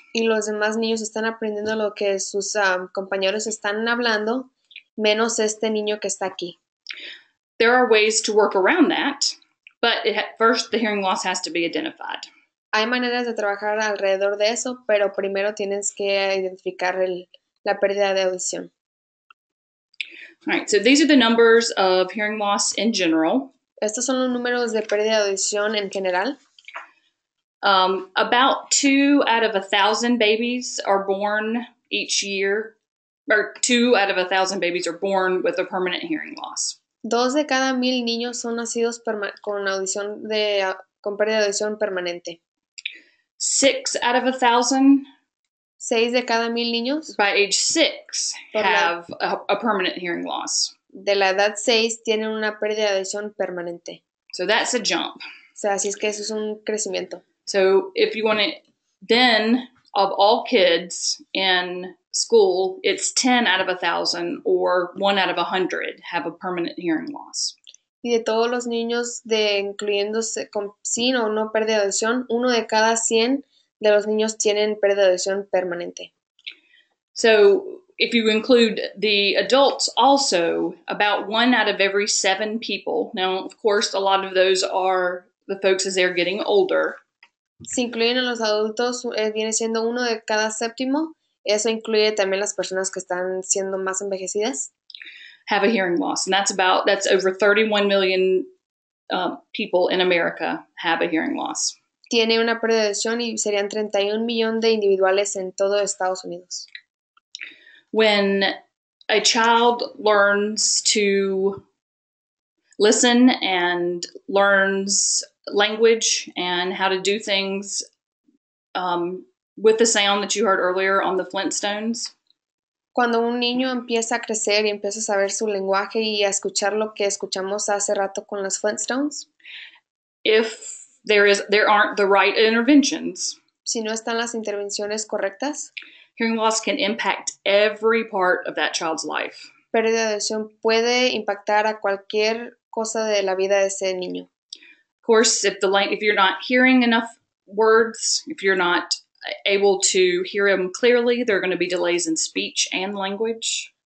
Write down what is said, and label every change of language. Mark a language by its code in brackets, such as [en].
[es] Y los demás niños están aprendiendo lo que sus compañeros están hablando, menos este niño que está aquí. [en] There are ways to work around that, but first the hearing loss has to be identified. [es] Hay maneras de trabajar alrededor de eso, pero primero tienes que identificar la pérdida de audición. [en] All right, so these are the numbers of hearing loss in general. [es] Estos son los números de pérdida de audición en general. [en] About 2 out of 1,000 babies are born each year, or 2 out of 1,000 babies are born with a permanent hearing loss. [es] 2 de cada 1,000 niños son nacidos con pérdida de audición permanente. [en] 6 out of 1,000. [es] 6 de cada 1,000 niños. [en] By age 6, have a permanent hearing loss. [es] De la edad 6 tienen una pérdida de audición permanente. [en] So that's a jump. [es] O sea, así es que eso es un crecimiento. [en] So if you want it, then of all kids in school, it's 10 out of 1,000 or 1 out of 100 have a permanent hearing loss. [es] Y de todos los niños, incluyéndose con sin o no pérdida de audición, 1 de cada 100 de los niños tienen pérdida de audición permanente. [en] So, if you include the adults also, about 1 out of every 7 people. Now, of course, a lot of those are the folks as they're getting older. [es] Si incluyen a los adultos, viene siendo 1 de cada 7. Eso incluye también las personas que están siendo más envejecidas. [en] Have a hearing loss, and that's over 31 million people in America have a hearing loss. [es] Tiene una pérdida de audición y serían 31 millón de individuales en todo Estados Unidos. [en] When a child learns to listen and learns language and how to do things with the sound that you heard earlier on the Flintstones. [es] Cuando un niño empieza a crecer y empieza a saber su lenguaje y a escuchar lo que escuchamos hace rato con las Flintstones. [en] If there aren't the right interventions. [es] Si no están las intervenciones correctas. [en] Hearing loss can impact every part of that child's life. [es] Pérdida de audición puede impactar a cualquier cosa de la vida de ese niño. [en] Of course, if you're not hearing enough words, if you're not able to hear him clearly, there are going to be delays in speech and language.